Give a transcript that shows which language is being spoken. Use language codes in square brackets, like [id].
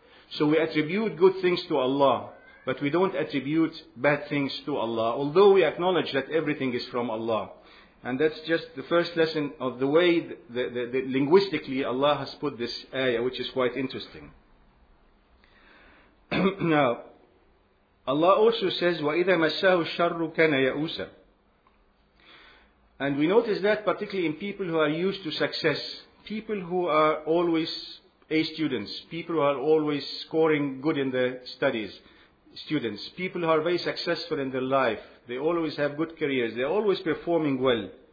[en] So we attribute good things to Allah, but we don't attribute bad things to Allah, although we acknowledge that everything is from Allah. And that's just the first lesson of the way the linguistically Allah has put this ayah, which is quite interesting. Now, Allah also says, [ar] وَإِذَا مَسَّهُ الشَّرُّ كَانَ يَأُوسًا. [en] And we notice that particularly in people who are used to success, people who are always A students, people who are always scoring good in their studies, students, people who are very successful in their life, they always have good careers, they're always performing well.